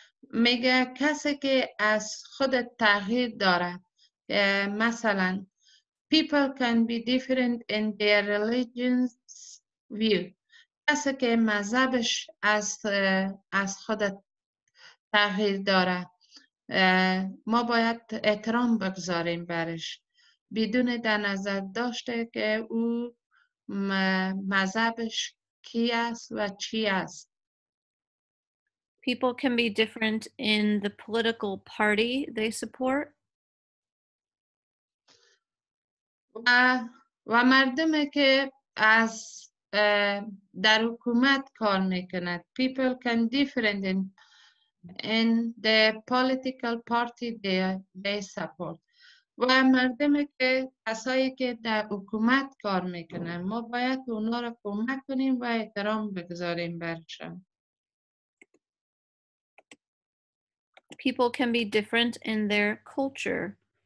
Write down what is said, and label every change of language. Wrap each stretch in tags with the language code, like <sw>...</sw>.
<fa>میگه کسی که از خودت تغییر داره.</fa> <en>مثلا, people can be different in their religions. View.</en> <fa>کسی که مذهبش از خودت تغییر داره ما باید احترام بگذاریم برش بدون در نظر داشته که او مذهبش کی است و چی است.</fa> <en>People can be different in the political party they support.</en> <fa>و مردم که از در حکومت کار میکند.</fa> <en>People can different in the political party they support.</en> <fa>و مردم که کسایی که در حکومت کار میکنند ما باید اونا را کمک کنیم و احترام بگذاریم برشان.</fa> <en>People can be different in their culture.</en>